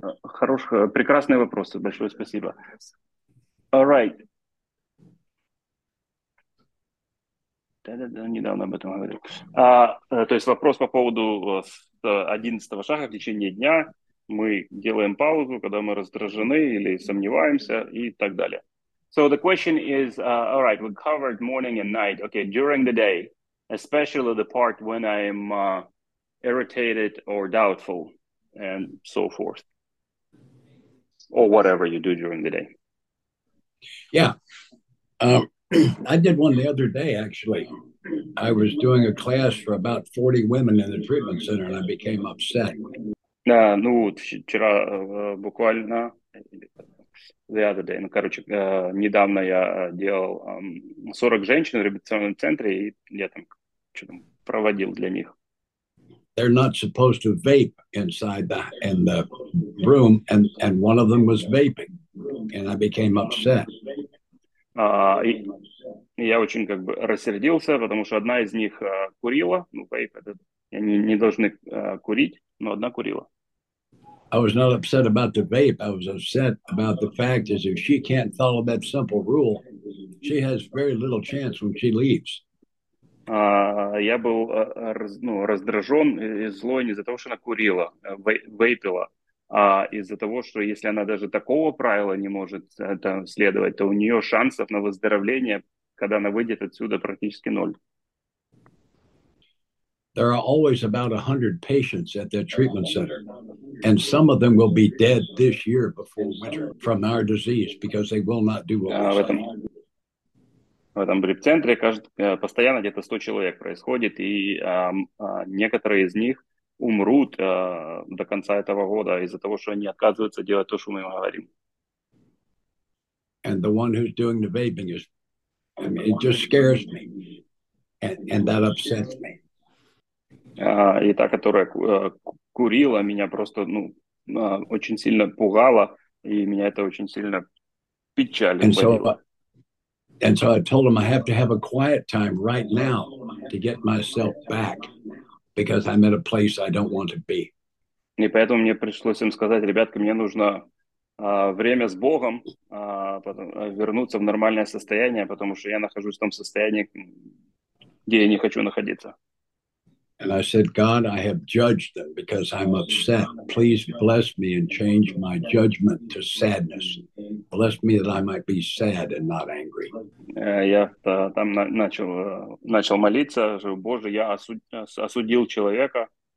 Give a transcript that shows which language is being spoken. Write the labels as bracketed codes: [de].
[ru] Прекрасные вопросы. Большое спасибо. [en] All right. [ru] Да, недавно об этом говорил. То есть вопрос по поводу 11-го шага в течение дня. Мы делаем паузу, когда мы раздражены или сомневаемся и так далее. [en] So the question is, all right, we covered morning and night. Okay, during the day, especially the part when I'm irritated or doubtful and so forth. Or whatever you do during the day. Yeah. I did one the other day, actually. I was doing a class for about 40 women in the treatment center, and I became upset. [ru] Ну, вчера буквально, [en] the other day, [ru] ну, короче, недавно я делал 40 женщин в реабилитационном центре, и я там что-то проводил для них. [en] They're not supposed to vape inside the in the room, and one of them was vaping, and I became upset. [ru] И я очень как бы рассердился, потому что одна из них курила, ну, вейп этот, и они не должны курить, но одна курила. [en] I was not upset about the vape. I was upset about the fact is if she can't follow that simple rule, she has very little chance when she leaves. [ru] Я был раздражен и злой не из-за того, что она курила, вейпила, а из-за того, что если она даже такого правила не может там следовать, то у нее шансов на выздоровление, когда она выйдет отсюда, практически ноль. [en] There are always about 100 patients at their treatment center, and some of them will be dead this year before winter from our disease because they will not do what we say. [ru] В этом реабцентре постоянно где-то 100 человек происходит, и некоторые из них умрут до конца этого года из-за того, что они отказываются делать то, что мы им говорим. [en] And the one who's doing the vaping is, I mean, it just scares me, and that upsets me. [ru] И та, которая курила, меня просто очень сильно пугала, и меня это очень сильно печалило. [en] And so I told him I have to have a quiet time right now to get myself back because I'm at a place I don't want to be. [ru] И поэтому мне пришлось им сказать, ребятки, мне нужно время с Богом, потом вернуться в нормальное состояние, потому что я нахожусь в том состоянии, где я не хочу находиться. [en] And I said, God, I have judged them because I'm upset. Please bless me and change my judgment to sadness. Bless me that I might be sad and not angry. [ru] Я там начал молиться, что, Боже, я осудил человека.